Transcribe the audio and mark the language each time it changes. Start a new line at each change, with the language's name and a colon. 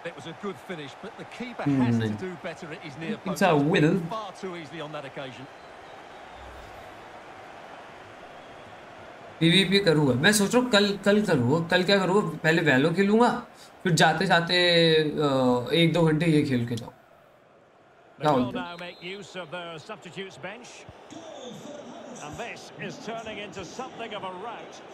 English: It was a good finish, but the keeper has to do better at his near post. It's a winner. Far too easily on that occasion.
Hindi: PVP करूंगा मैं, सोच रहा हूँ कल करूंगा. कल क्या करूंगा, पहले वैलो खेलूंगा, फिर जाते जाते एक दो घंटे ये खेल के जाऊँ.
English: Now make use of the substitutes bench. And this is turning into something of a rout.